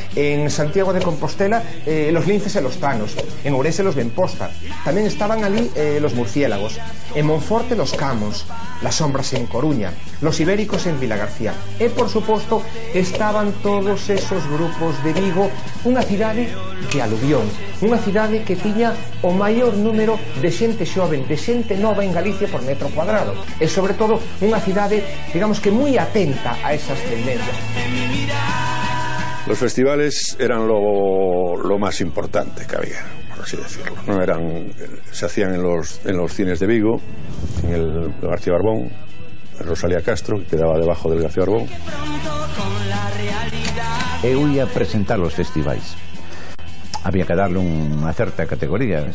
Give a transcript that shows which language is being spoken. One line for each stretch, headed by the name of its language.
Galician: En Santiago de Compostela, los Linces e los Tanos. En Ourense, los Benposta. Tamén estaban ali los Murciélagos. En Monforte, los Camos. Las Sombras en Coruña. Los Ibéricos en Vila García. E, por suposto, estaban todos esos grupos de Vigo, unha cidade de aluvión, unha cidade que tiña o maior número de xente xoven, de xente nova en Galicia por metro cuadrado. E, sobre todo, unha cidade, digamos que moi atenta a esas tendencias.
Spanish: Los festivales eran lo máis importante que había, por así decirlo. No eran, se hacían en los cines de Vigo, en el García Barbón, Rosalía Castro, que quedaba debajo del García Arbón.
Galician: Eu ia presentar os festivais. Había que darle unha certa categoría.